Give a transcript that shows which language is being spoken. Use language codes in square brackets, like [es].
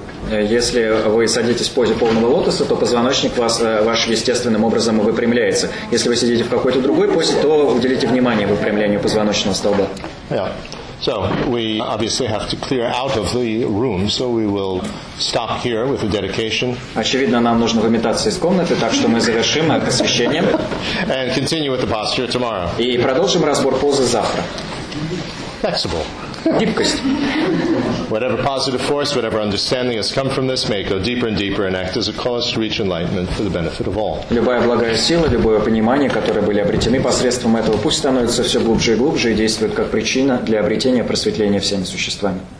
[ru] Если вы садитесь в позе полного лотоса, то позвоночник ваш естественным образом выпрямляется. Если вы сидите в какой-то другой позе, то уделите внимание выпрямлению позвоночного столба. [en] Yeah. So we obviously have to clear out of the room, so we will stop here with the dedication. [ru] Очевидно, нам нужно выметаться из комнаты, так что мы завершим это освящением. [en] And continue with the posture tomorrow. [ru] И продолжим разбор позы завтра. [en] Flexible. [ru] Гибкость. [en] Whatever positive force, whatever understanding has come from this, may go deeper and deeper and act as a cause to reach enlightenment for the benefit of all. [ru] Любая благая сила, любое понимание, которые были обретены посредством этого, пусть становится все глубже и глубже и действует как причина для обретения просветления всеми существами.